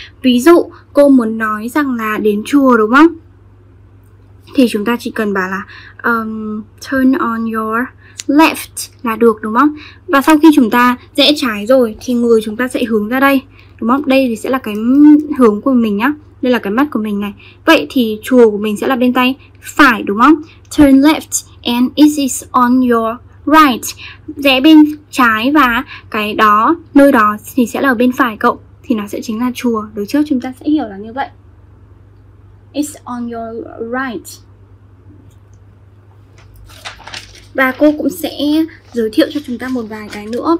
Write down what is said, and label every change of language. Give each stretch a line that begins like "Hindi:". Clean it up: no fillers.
Vietnamese: Ví dụ cô muốn nói rằng là đến chùa đúng không? Thì chúng ta chỉ cần bảo là
English: turn on your left
Vietnamese: là được đúng không? Và sau khi chúng ta rẽ trái rồi thì người chúng ta sẽ hướng ra đây đúng không? Đây thì sẽ là cái hướng của mình nhá. Đây là cái mắt của mình này. Vậy thì chùa của mình sẽ là bên tay phải đúng không?
English: Turn left and it is on your right.
Vietnamese: Rẽ bên trái và cái đó, nơi đó thì sẽ là bên phải cậu. Thì nó sẽ chính là chùa. Đối trước chúng ta sẽ hiểu là như vậy.
English: It's on your right.
Vietnamese: Và cô cũng sẽ giới thiệu cho chúng ta một vài cái nữa.